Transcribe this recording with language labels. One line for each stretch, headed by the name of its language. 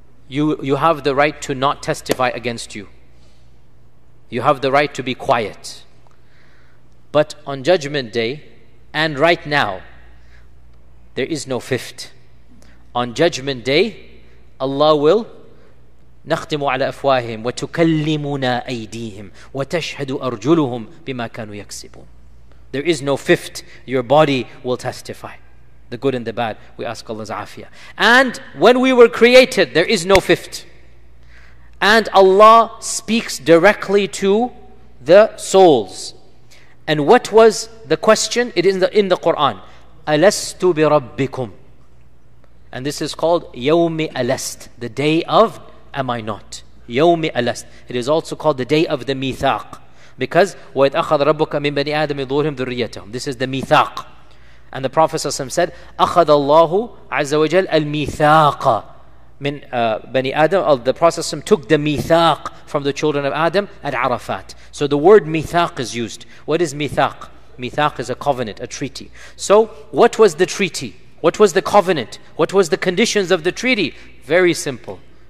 English: You have the right to not testify against you. You have the right to be quiet. But on Judgment Day, and right now, there is no fifth. On Judgment Day, Allah will
Arabic: نَخْتِمُ عَلَىٰ أَفْوَاهِهِمْ وَتُكَلِّمُنَا أَيْدِيهِمْ وَتَشْهَدُ أَرْجُلُهُمْ بِمَا كَانُوا يَكْسِبُونَ.
English: There is no fifth. Your body will testify. The good and the bad. We ask Allah's afia. And when we were created, there is no fifth. And Allah speaks directly to the souls. And what was the question? It is in the Quran.
Arabic: أَلَسْتُ بِرَبِّكُمْ.
English: And this is called
Arabic: يَوْمِ أَلَسْتُ.
English: The day of am I not.
Arabic: يَوْمِ أَلَسْتُ.
English: It is also called the day of the mithaq. Because
Arabic: وَإِذْ أَخَذَ رَبُّكَ مِنْ بَنِي آدَمِ ظُهُورِهِمْ ذُرِّيَّتَهُمْ.
English: This is the mithaq. And the Prophet ﷺ said,
Arabic: أَخَذَ اللَّهُ عَزَّ وَجَلْ الْمِيثَاقَ. min bani Adam,
English: the Prophet ﷺ took the mithaq from the children of Adam at Arafat. So the word mithaq is used. What is mithaq? Mithaq is a covenant, a treaty. So what was the treaty? What was the covenant? What was the conditions of the treaty? Very simple.